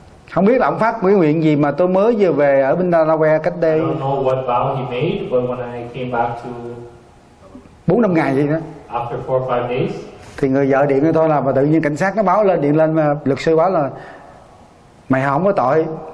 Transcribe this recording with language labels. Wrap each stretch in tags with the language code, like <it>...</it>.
<vi>Không biết là ông phát mấy nguyện gì mà tôi mới vừa về ở bên Delaware cách đây.</vi> <en>I don't know what vow he made, but when I came back to</en> <vi>4-5 ngày gì đó.</vi> <en>After 4-5 days.</en> <vi>Thì người vợ điện thôi là, và tự nhiên cảnh sát nó báo lên, điện lên mà luật sư báo là mày không có tội.</vi>